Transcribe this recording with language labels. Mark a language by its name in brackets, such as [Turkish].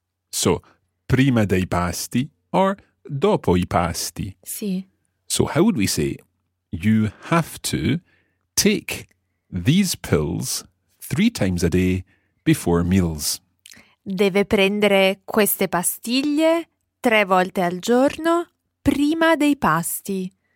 [Italian] So, prima dei pasti or dopo I pasti. Sì. [English] So, how would we say, you have to take these pills three times a day before meals? [Italian] Deve prendere queste pastiglie tre volte al giorno prima dei pasti.